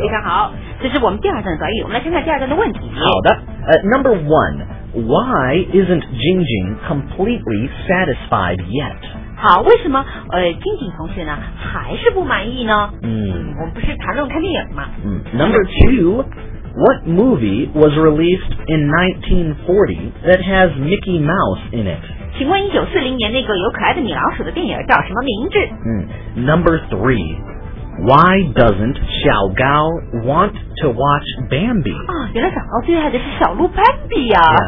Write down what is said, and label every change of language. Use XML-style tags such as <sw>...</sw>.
<zh>非常好，这是我们第二段的短语。我们来看看第二段的问题。好的，</zh> <en>number one, why isn't Jing Jing completely satisfied yet?</en> <zh>好，为什么Jing Jing同学呢还是不满意呢？嗯，我们不是谈论看电影吗？</zh> <en>嗯 ，number two, what movie was released in 1940 that has Mickey Mouse in it?</en> <zh>请问1940年那个有可爱的米老鼠的电影叫什么名字？</zh> <en>嗯 ，number three. Why doesn't Xiao Gao want to watch Bambi?</en> <zh>啊，原来小高最爱的是小鹿斑比啊</zh>